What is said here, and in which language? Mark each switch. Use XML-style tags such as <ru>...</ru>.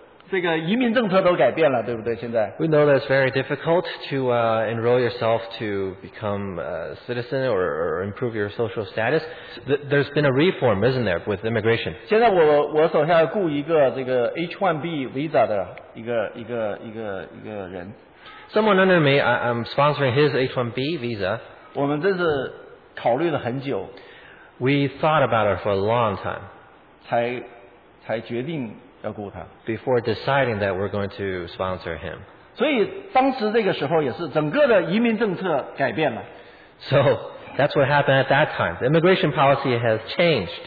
<zh>我想大家现在如果办身份都比较难办的，美国整个的这个移民政策都改变了，对不对？现在</zh> <en>We know that it's very difficult to enroll yourself to become a citizen or improve your social status. There's been a reform, isn't there, with immigration?</en> <zh>现在我手下雇一个这个 H-1B visa的一个人。</zh> <en>Someone under me, I'm sponsoring his H-1B visa.</en> <zh>我们真是考虑了很久。</zh> <en>We thought about it for a long time.</en> <zh>才决定要雇他。</zh> <en>Before deciding that we're going to sponsor him.</en> <zh>所以当时这个时候也是整个的移民政策改变了。</zh> <en>So that's what happened at that time. The immigration policy has changed.</en>